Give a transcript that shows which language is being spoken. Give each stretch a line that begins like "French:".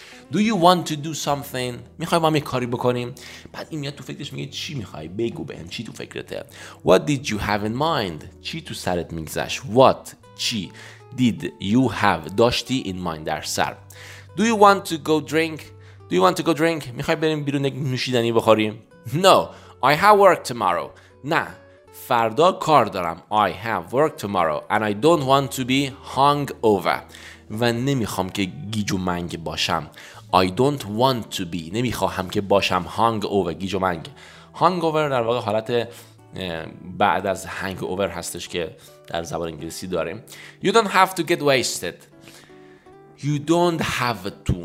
English: Do you want to do something؟
Persian: میخوای با هم یک کاری بکنیم؟ بعد این میاد تو فکرش میگه چی میخوای؟ بگو بهم چی تو فکرته؟
English: What did you have in mind؟
Persian: چی تو سرت میگذش؟
English: What؟
Persian: چی؟
English: Did you have
Persian: داشتی
English: in mind
Persian: در سر؟
English: Do you want to go drink? Do you want to go drink?
Persian: میخوای بریم بیرون یک نوشیدنی بخوریم؟
English: No, I have work tomorrow.
Persian: نه، فردا کار دارم.
English: I have work tomorrow and I don't want to be hungover.
Persian: و نمیخوام که گیج و منگ باشم.
English: I don't want to be.
Persian: نمیخوام که باشم hungover، گیج و منگ. Hungover در واقع حالت بعد از hangover هستش که در زبان انگلیسی داریم.
English: You don't have to get wasted. You don't have to.